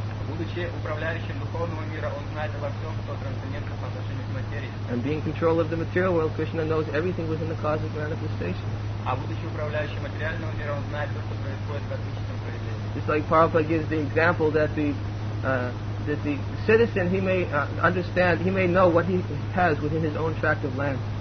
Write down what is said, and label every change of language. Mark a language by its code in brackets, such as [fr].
[ru] Будучи управляющим духовного мира, он знает обо всем, что трансцендентно по отношению к материи. [en] And being controller of the material world, Krishna knows everything within the cosmic manifestation. [ru] А будучи управляющим материального мира, он знает то, что происходит в космическом проявлении. [en] Just like Prabhupada gives the example that the that the citizen, he may understand, he may know what he has within his own tract of land.